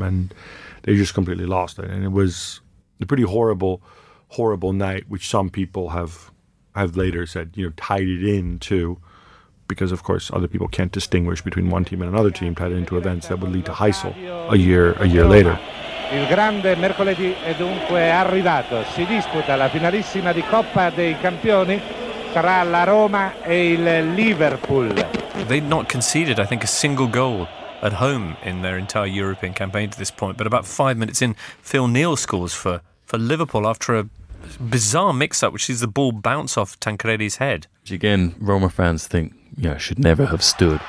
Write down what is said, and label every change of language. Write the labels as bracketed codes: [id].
[en] And they just completely lost it. And it was a pretty horrible, horrible night, which some people have later said, you know, tied it in to, because of course other people can't distinguish between one team and another team, tied it into events that would lead to Heysel a year later. [it] Il grande mercoledì è dunque arrivato. Si disputa la finalissima di Coppa dei Campioni tra la Roma e il Liverpool. [en] They'd not conceded, I think, a single goal at home in their entire European campaign to this point. But about 5 minutes in, Phil Neal scores for Liverpool after a bizarre mix-up, which sees the ball bounce off Tancredi's head. Which again, Roma fans think, you know, should never have stood.